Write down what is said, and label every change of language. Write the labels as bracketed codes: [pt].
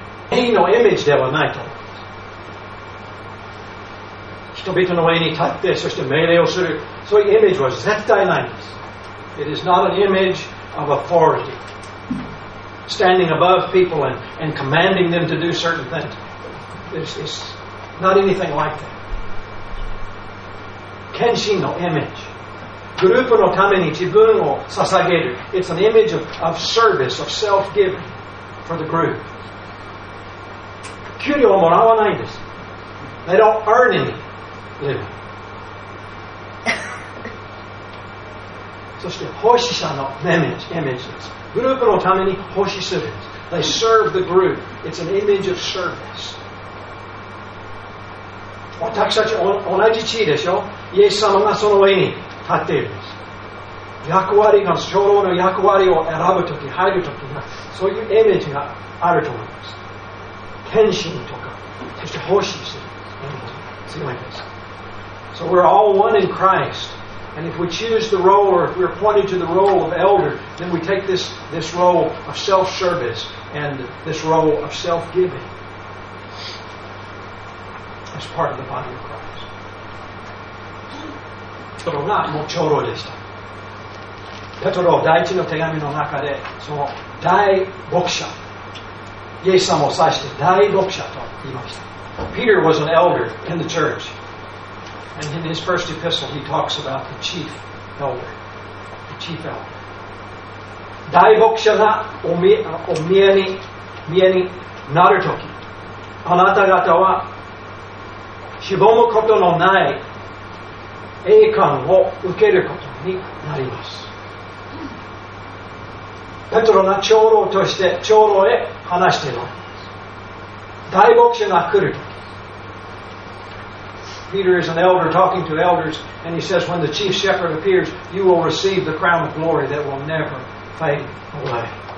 [ja] 変のイメージではないと。人々の上に立ってそして命令をする、そういうイメージは絶対ないんです。 [en] It is not an image of authority. Standing above people and commanding them to do certain things. It's not anything like that. [ja] 献身のイメージ。グループのために自分を捧げる。 [en] It's an image of service, of self-giving for the group. [ja] 給料をもらわないんです。 [en] They don't earn any. [ja] そして奉仕者のイメージです。グループのために奉仕するんです。 [en] They serve the group. It's an image of service. [ja] 私たち同じ地位でしょ。イエス様がその上に立っているんです。役割が、長老の役割を選ぶとき、入るときには、そういうイメージがあると思います。献身とか、そして奉仕するイメージが強いんです。 [en] So we're all one in Christ. And if we choose the role, or if we're appointed to the role of elder, then we take this role of self-service and this role of self-giving as part of the body of Christ. [ja] Petro がもう長老でした。 Petro、第一の手紙の中で、その大牧者、イエス様を指して大牧者と言いました。 [en] Peter was an elder in the church. And in his first epistle, he talks about the chief elder. The chief elder. [ja] 大牧者がお見えになるとき、あなた方はしぼむことのない栄冠を受けることになります。ペトロが長老として長老へ話しています。大牧師が来る。 [en] Peter is an elder talking to elders and he says when the chief shepherd appears you will receive the crown of glory that will never fade away。